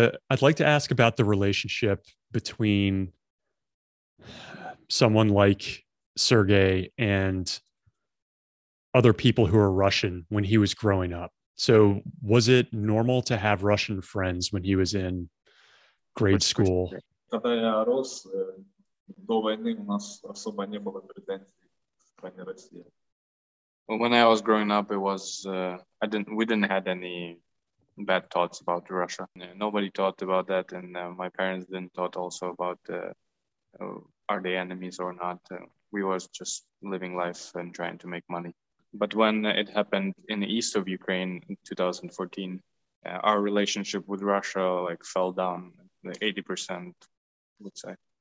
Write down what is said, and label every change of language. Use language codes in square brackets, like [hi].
[en] I'd like to ask about the relationship between someone like Sergei and other people who are Russian when he was growing up. So was it normal to have Russian friends when he was in grade school? [ru] Когда я рос, до войны у нас особо не было претензий в стране России. [en] When I was growing up, it was we didn't have any bad thoughts about Russia. Nobody thought about that, and my parents didn't thought also about are they enemies or not. We was just living life and trying to make money. But when it happened in the east of Ukraine in 2014, our relationship with Russia like fell down 80%, I would say.